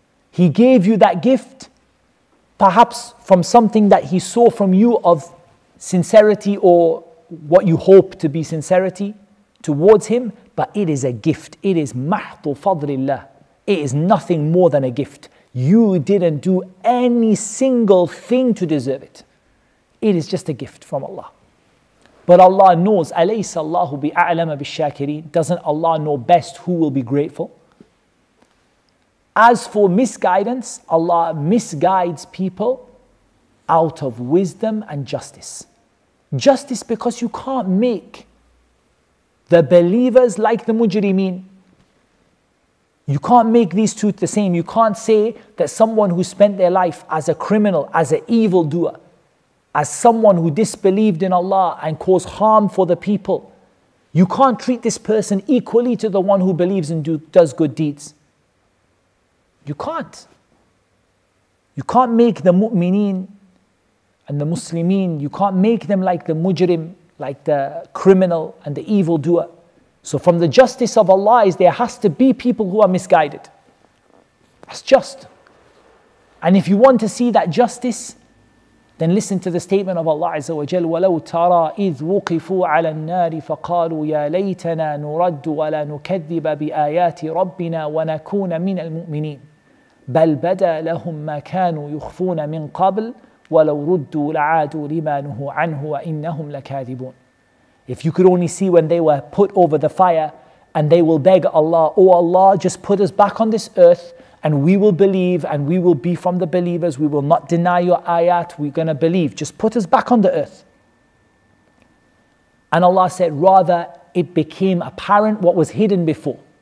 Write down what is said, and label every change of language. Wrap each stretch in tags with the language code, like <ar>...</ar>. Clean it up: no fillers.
<en>He gave you that gift, perhaps from something that He saw from you of sincerity or what you hope to be sincerity towards Him, but it is a gift. It is</en> <ar>mahdhu fadlillah.</ar> <en>It is nothing more than a gift. You didn't do any single thing to deserve it. It is just a gift from Allah. But Allah knows,</en> <ar>أَلَيْسَ اللَّهُ بِأَعْلَمَ بِالشَّاكِرِينَ.</ar> <en>Doesn't Allah know best who will be grateful? As for misguidance, Allah misguides people out of wisdom and justice. Justice because you can't make the believers like the mujrimeen. You can't make these two the same. You can't say that someone who spent their life as a criminal, as an evildoer, as someone who disbelieved in Allah and caused harm for the people, you can't treat this person equally to the one who believes and does good deeds. You can't. You can't make the mu'mineen and the muslimin, you can't make them like the mujrim, like the criminal and the evildoer. So from the justice of Allah is there has to be people who are misguided. That's just. And if you want to see that justice, then listen to the statement of Allah Azza wa Jal,</en> <ar>وَلَوْ تَرَى إِذْ وُقِفُوا عَلَى النَّارِ فَقَالُوا يَا لَيْتَنَا نُرَدُّ وَلَا نُكَذِّبَ بِآيَاتِ رَبِّنَا وَنَكُونَ مِنَ الْمُؤْمِنِينَ بَلْ بَدَى لَهُمْ مَا كَانُوا يُخْفُونَ مِنْ قَبْلِ وَلَوْ رُدُّوا لَعَادُوا لِمَا نُهُوا عَنْهُ وَإِنَّهُمْ لَكَاذِبُونَ.</ar> <en>If you could only see when they were put over the fire and they will beg Allah, oh Allah, just put us back on this earth and we will believe and we will be from the believers. We will not deny your ayat. We're going to believe. Just put us back on the earth. And Allah said, rather, it became apparent what was hidden before.</en>